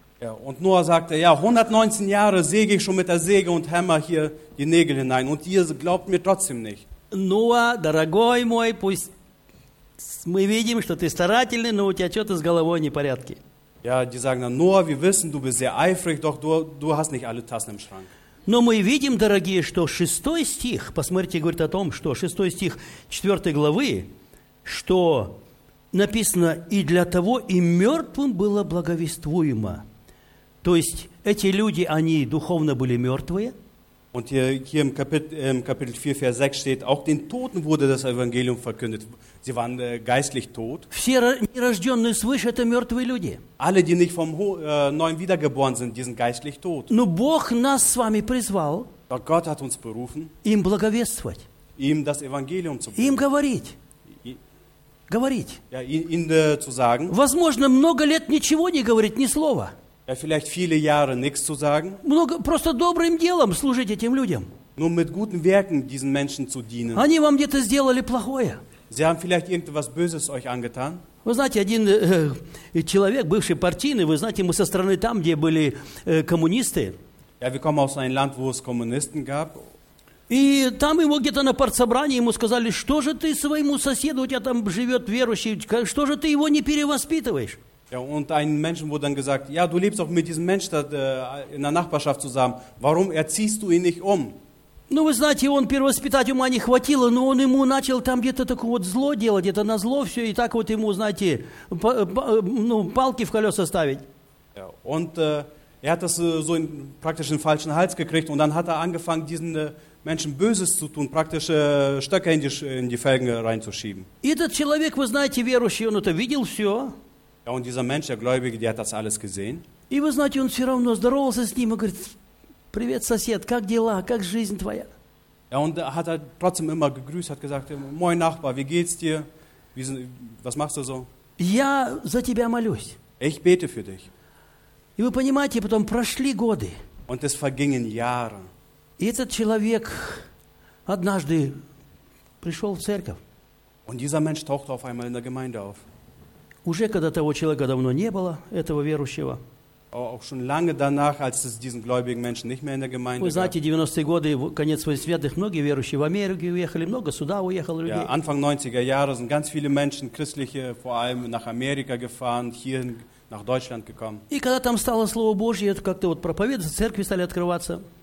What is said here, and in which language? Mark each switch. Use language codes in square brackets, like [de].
[de] Ja, und Noah sagte, ja, 119 Jahre säge ich schon mit der Säge und Hämmer hier die Nägel hinein und ihr glaubt mir trotzdem nicht. [ru] Noah, дорогой мой, пусть мы видим, что ты старательный, но у тебя что-то с головой не в порядке. [de] Ja, die sagen dann, Noah, wir wissen, du bist sehr eifrig, doch du hast nicht alle Tassen im Schrank. [ru] Но мы видим, дорогие, что шестой стих, посмотрите, говорит о том, что шестой стих четвертой главы, что написано, и для того и мертвым было благовествуемо. То есть эти люди, они духовно были мертвые. [de] Und hier im Kapitel 4, Vers 6 steht, auch den Toten wurde das Evangelium verkündet. Sie waren geistlich tot. [ru] Все нерожденные свыше – это мертвые люди. [de] Alle, die nicht vom Neuen wiedergeboren sind, die sind geistlich tot. [ru] Но Бог нас с вами призвал. [de] Doch Gott hat uns berufen. [ru] Им благовествовать. Им [de] das Evangelium zu bringen. [ru] Им говорить. Говорить. [de] Ja, ihnen zu sagen. [ru] Возможно, много лет ничего не говорить, ни слова. [de] Ja, vielleicht viele Jahre nichts zu sagen. [ru] Много, просто добрым делом служить этим людям. [de] Nur mit guten Werken diesen Menschen zu dienen. [ru] Они вам где-то сделали плохое. [de] Sie haben vielleicht irgendwas Böses euch angetan. [ru] Вы знаете, один человек, бывший партийный, вы знаете, мы со стороны там, где были коммунисты. [de] Ja, wir kommen aus einem Land, wo es Kommunisten gab. [ru] И там его где-то на партсобрании ему сказали, что же ты своему соседу, у тебя там живет верующий, что же ты его не перевоспитываешь? [de] Ja, und einem Menschen wurde dann gesagt, ja, du lebst auch mit diesem Menschen da, in der Nachbarschaft zusammen. Warum erziehst du ihn nicht um? [ru] Ну, вы знаете, он перевоспитать ума не хватило, но он ему начал там где-то такое вот зло делать, где-то на зло все, и так вот ему, знаете, палки в колеса ставить. [de] Ja, und hat das so praktisch einen falschen Hals gekriegt und dann hat angefangen, diesen Menschen Böses zu tun, praktisch Stöcke in die Felgen reinzuschieben. [ru] Этот человек, вы знаете, верующий, он это видел все. [de] Ja, und dieser Mensch, der Gläubige, der hat das alles gesehen. [ru] И вы знаете, он все равно здоровался с ним и говорит, привет, сосед, как дела, как жизнь твоя? [de] Ja, und hat trotzdem immer gegrüßt, hat gesagt, moin Nachbar, wie geht's dir? Was machst du so? [ru] Я за тебя молюсь. [de] Ich bete für dich. [ru] И вы понимаете, потом прошли годы. [de] Und es vergingen Jahre. [ru] И этот человек однажды пришел в церковь. [de] Und dieser Mensch tauchte auf einmal in der Gemeinde auf. [ru] Уже когда того человека давно не было, этого верующего. [de] Auch schon lange danach, als es diesen gläubigen Menschen nicht mehr in der Gemeinde gab. [ru] Вы знаете, 90-е годы, конец 80-х, многие верующие в Америку уехали, много сюда уехало людей. [de] Ja, Anfang 90er Jahre sind ganz viele Menschen, christliche, vor allem nach Amerika gefahren, hier nach Deutschland gekommen. [ru] И когда там стало слово Божье, это как-то вот проповедоваться, церкви стали открываться.